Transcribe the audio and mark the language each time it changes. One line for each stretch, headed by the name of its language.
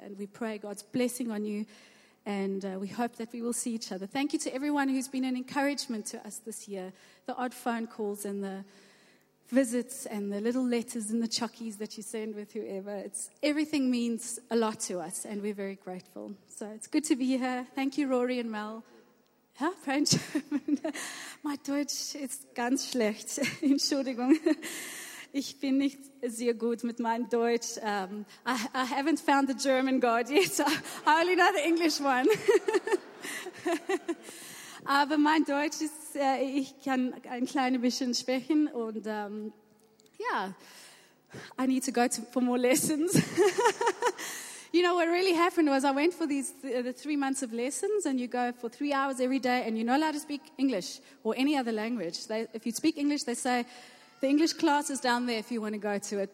English: And we pray God's blessing on you, and we hope that we will see each other. Thank you to everyone who's been an encouragement to us this year, the odd phone calls and the visits and the little letters and the chuckies that you send with whoever. It's everything means a lot to us, and we're very grateful. So it's good to be here. Thank you, Rory and Mel. Huh? French. My
German: Deutsch ist ganz schlecht. Entschuldigung. Ich bin nicht sehr gut mit meinem Deutsch.
English: I haven't found the German God yet. I only know the English one.
German: Aber mein Deutsch ist, ich kann ein kleines bisschen sprechen. Und
English: I need to go for more lessons. You know, what really happened was I went for the 3 months of lessons, and you go for 3 hours every day, and you're not allowed to speak English or any other language. If you speak English, they say, the English class is down there if you want to go to it.